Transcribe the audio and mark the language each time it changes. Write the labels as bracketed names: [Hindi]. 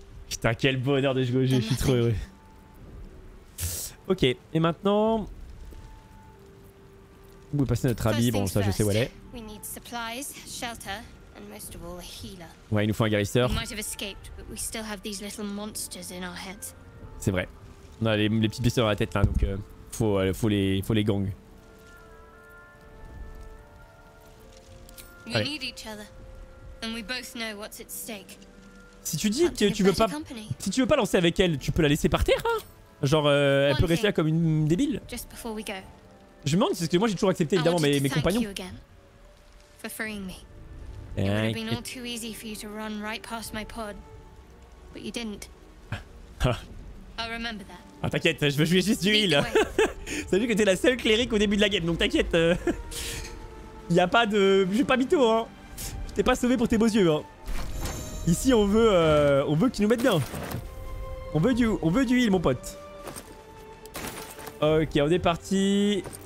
[French] Putain, quel bonheur de jouer au jeu, je suis trop heureux. Ok, et maintenant... On peut passer notre habit, bon ça je sais où elle est. [English] We need supplies, shelter. And most of all, a healer. [French] Ouais, il nous faut un guérisseur. [English] We might have escaped, but we still have these little monsters in our heads. [French] C'est vrai. On a les petites bestioles dans la tête là, donc faut les gang. [English] We need each other, and we both know what's at stake. [French] Si tu dis que tu veux pas, si tu veux pas lancer avec elle, tu peux la laisser par terre, hein? Genre elle peut rester là comme une débile. [English] Just before we go. [French] Je me demande, c'est ce que moi j'ai toujours accepté évidemment mes compagnons. [English] For freeing me. It would have been all too easy for you to run right past my pod, but you didn't. I'll remember that. [French] Ah, t'inquiète, je veux jouer juste du heal. Ça veut dire que t'es la seule cléric au début de la game, donc t'inquiète. Y a pas de, j'ai pas mytho, hein. Je t'ai pas sauvé pour tes beaux yeux, hein. Ici, on veut que tu nous mettes bien. On veut du heal, mon pote. Ok, on est parti.